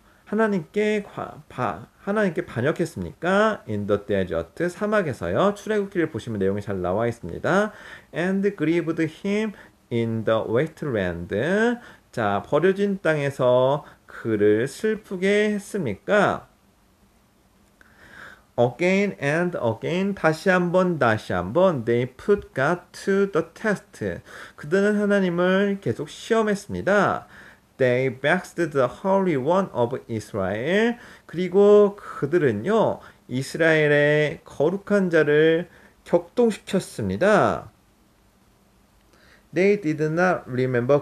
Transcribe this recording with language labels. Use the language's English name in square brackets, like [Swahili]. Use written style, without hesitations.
[Korean] 하나님께 반역했습니까? [English] In the desert, [Korean] 사막에서요. 출애굽기를 보시면 내용이 잘 나와 있습니다. [English] And grieved him in the wasteland. [Korean] 자, 버려진 땅에서 그를 슬프게 했습니까? [English] Again and again, [Korean] 다시 한번, [English] they put God to the test. [Korean] 그들은 하나님을 계속 시험했습니다. [English] They vexed the Holy One of Israel. [Korean] 그리고 그들은요, 이스라엘의 거룩한 자를 격동시켰습니다. [English] They did not remember.